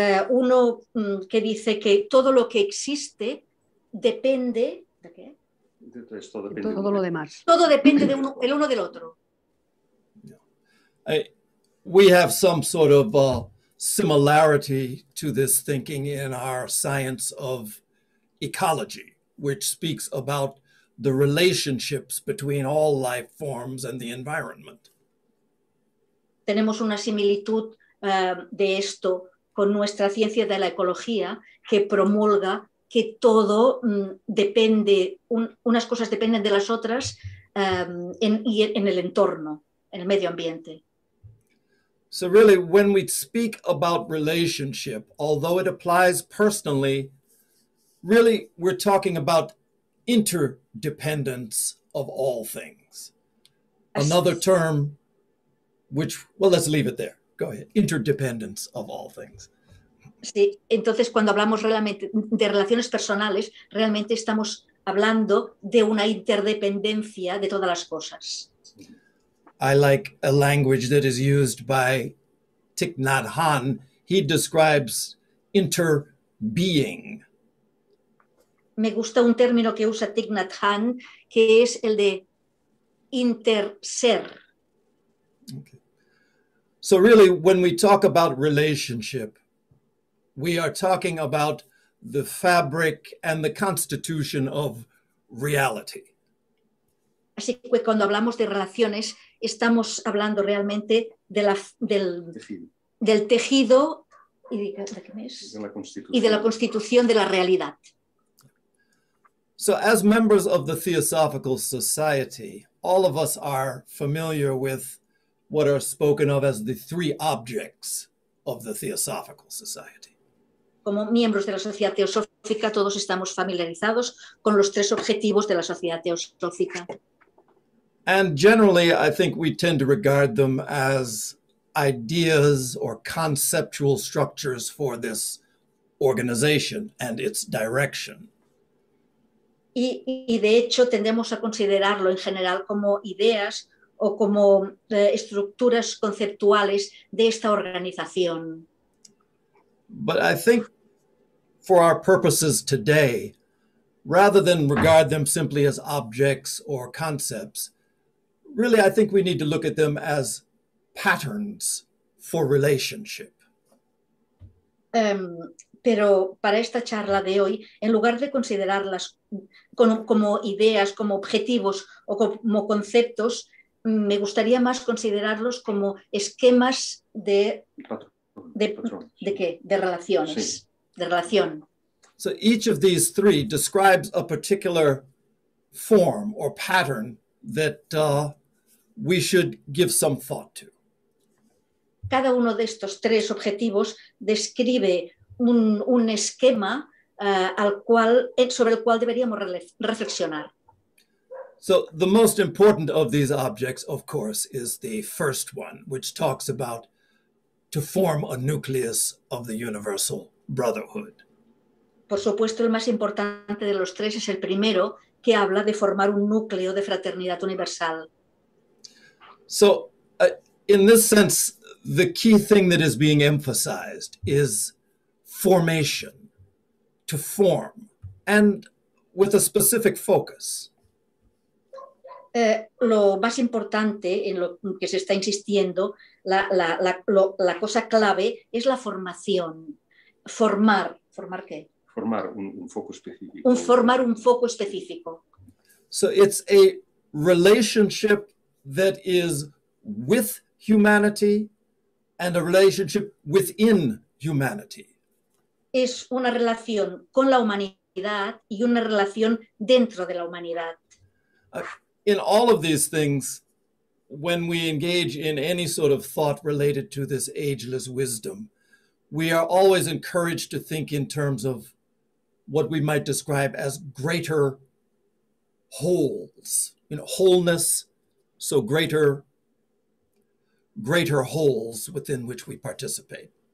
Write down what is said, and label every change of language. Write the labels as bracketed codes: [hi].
[es] Uno que dice que todo lo que existe depende de qué? De todo lo demás. Todo depende de uno, el uno del otro. [en] We have some sort of similarity to this thinking in our science of ecology, which speaks about the relationships between all life forms and the environment. [es] Tenemos una similitud de esto con nuestra ciencia de la ecología que promulga que todo depende, unas cosas dependen de las otras en el entorno, en el medio ambiente. [en] So really, when we speak about relationship, although it applies personally, really we're talking about interdependence of all things. Another term which, well, let's leave it there. Go ahead. Interdependence of all things. [es] Sí, entonces cuando hablamos realmente de relaciones personales, realmente estamos hablando de una interdependencia de todas las cosas. [en] I like a language that is used by Thich Nhat Hanh. He describes interbeing. [es] Me gusta un término que usa Thich Nhat Hanh, que es el de interser. [en] So really, when we talk about relationship, we are talking about the fabric and the constitution of reality. [es] Así que cuando hablamos de relaciones, estamos hablando realmente de del tejido y de qué es? De la constitución de la realidad. [en] So as members of the Theosophical Society, all of us are familiar with what are spoken of as the three objects of the Theosophical Society. [es] Como miembros de la Sociedad Teosófica, todos estamos familiarizados con los tres objetivos de la Sociedad Teosófica. [en] And generally, I think we tend to regard them as ideas or conceptual structures for this organization and its direction. [es] Y de hecho, tendemos a considerarlo en general como ideas o como estructuras conceptuales de esta organización. [en] But I think for our purposes today, rather than regard them simply as objects or concepts, really I think we need to look at them as patterns for relationship. [es] Pero para esta charla de hoy, en lugar de considerarlas como ideas, como objetivos o como conceptos, me gustaría más considerarlos como esquemas de... Patrones. ¿De qué? De relaciones. Sí. De relación. [en] So each of these three describes a particular form or pattern that we should give some thought to. [es] Cada uno de estos tres objetivos describe un esquema sobre el cual deberíamos reflexionar. [en] So the most important of these objects, of course, is the first one, which talks about to form a nucleus of the universal brotherhood. [es] Por supuesto, el más importante de los tres es el primero, que habla de formar un núcleo de fraternidad universal. [en] So, in this sense, the key thing that is being emphasized is formation, to form, and with a specific focus. [es] Lo más importante en lo que se está insistiendo, la cosa clave es la formación. Formar. ¿Formar qué? Formar un foco específico. Formar un foco específico. [en] So it's a relationship that is with humanity and a relationship within humanity. [es] Es una relación con la humanidad y una relación dentro de la humanidad. [en] In all of these things, when we engage in any sort of thought related to this ageless wisdom, we are always encouraged to think in terms of what we might describe as greater wholes, you know, wholeness, so greater wholes within which we participate.